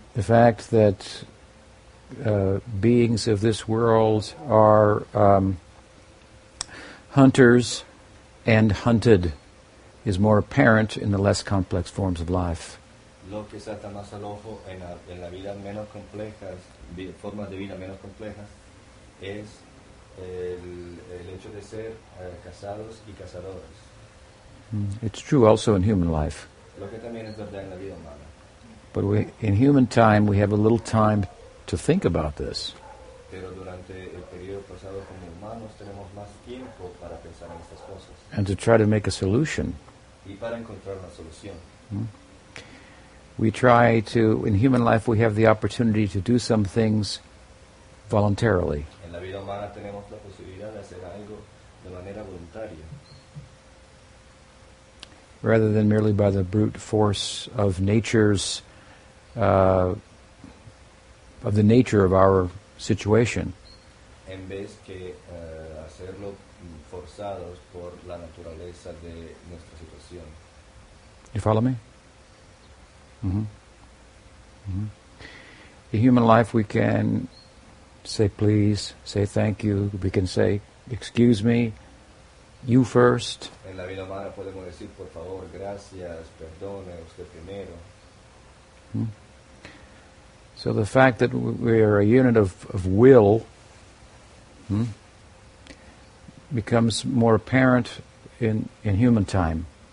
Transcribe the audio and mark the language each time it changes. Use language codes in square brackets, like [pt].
[en] The fact that beings of this world are hunters and hunted is more apparent in the less complex forms of life. [es] Lo que salta más al ojo en la vida menos complejas, formas de vida menos complejas, es el hecho de ser casados y casadoras. [en] It's true also in human life. [es] Lo que también es verdad en la vida humana. [en] But we, in human time, we have a little time to think about this. [es] Pero durante el periodo pasado como humanos tenemos más tiempo para pensar en estas cosas. [en] And to try to make a solution. [es] Y para encontrar una solución. [en] We try to, in human life, we have the opportunity to do some things voluntarily. [es] En la vida humana tenemos la posibilidad de hacer algo de manera voluntaria. [en] Rather than merely by the brute force of nature's, of the nature of our situation. [es] En vez que hacerlo forzados por la naturaleza de nuestra situación. [en] You follow me? Mm-hmm. Mm-hmm. In human life, we can say please, say thank you. We can say excuse me, you first. [es] En la vida humana podemos decir por favor, gracias, perdone, usted primero. Mm-hmm. [en] So the fact that we are a unit of will becomes more apparent in human time.